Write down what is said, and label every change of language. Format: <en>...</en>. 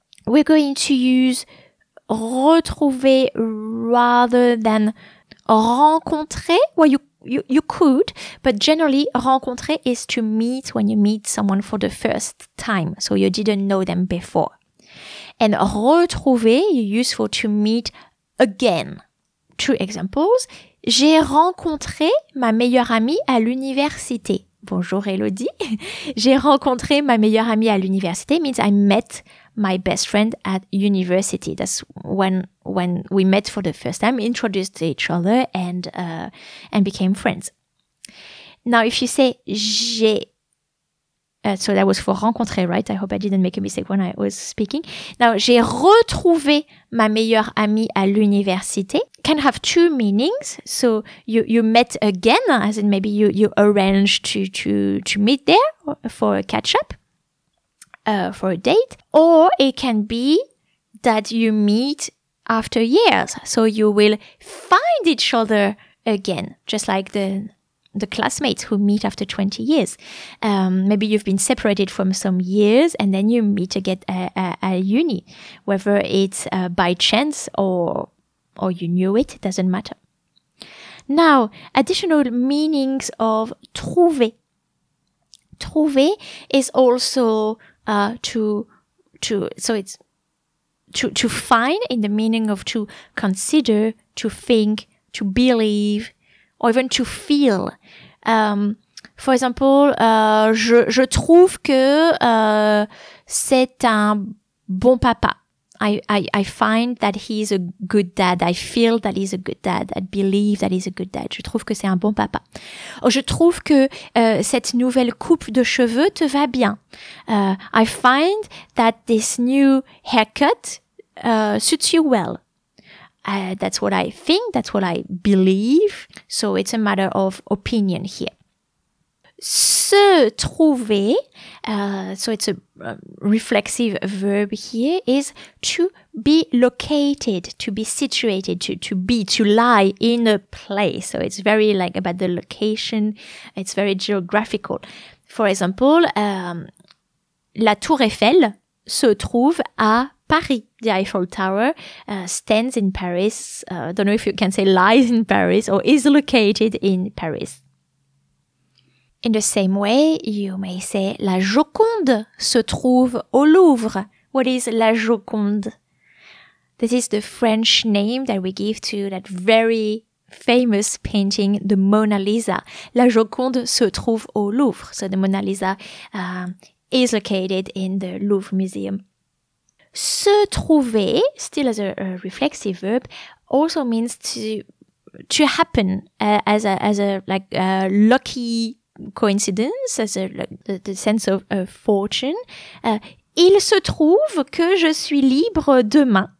<en>we're going to use retrouver rather than rencontrer. Well, you could, but generally rencontrer is to meet when you meet someone for the first time. So you didn't know them before. And retrouver is useful to meet again. Two examples.</en> <fr>J'ai rencontré ma meilleure amie à l'université. Bonjour Elodie. J'ai rencontré ma meilleure amie à l'université</fr> <en>means I met my best friend at university. That's when we met for the first time, introduced to each other and became friends. Now if you say j'ai, so that was for rencontrer, right? I hope I didn't make a mistake when I was speaking.</en> <fr>Now j'ai retrouvé ma meilleure amie à l'université</fr> <en>can have two meanings. So you met again, as in maybe you arranged to meet there for a catch up, for a date, or it can be that you meet after years. So you will find each other again, just like the classmates who meet after 20 years. Maybe you've been separated from some years and then you meet again at uni, whether it's by chance or you knew it, it doesn't matter. Now, additional meanings of trouver. Trouver is also to find, in the meaning of to consider, to think, to believe, or even to feel. For example,</en> <fr>je trouve que c'est un bon papa.</fr> <en>I find that he's a good dad. I feel that he's a good dad. I believe that he's a good dad.</en> <fr>Je trouve que c'est un bon papa. Oh, je trouve que cette nouvelle coupe de cheveux te va bien.</fr> <en>I find that this new haircut suits you well. That's what I think. That's what I believe. So it's a matter of opinion here. Se trouver, so it's a reflexive verb here, is to be located, to be situated, to lie in a place. So it's very like about the location. It's very geographical. For example,</en> <fr>la Tour Eiffel se trouve à Paris.</fr> <en>The Eiffel Tower stands in Paris. Don't know if you can say lies in Paris or is located in Paris. In the same way, you may say</en> <fr>la Joconde se trouve au Louvre.</fr> <en>What is la Joconde? This is the French name that we give to that very famous painting, the Mona Lisa.</en> <fr>La Joconde se trouve au Louvre.</fr> <en>So the Mona Lisa is located in the Louvre Museum. Se trouver, still as a reflexive verb, also means to happen as a lucky coincidence, as a the sense of fortune.</en> <fr>Il se trouve que je suis libre demain.</fr>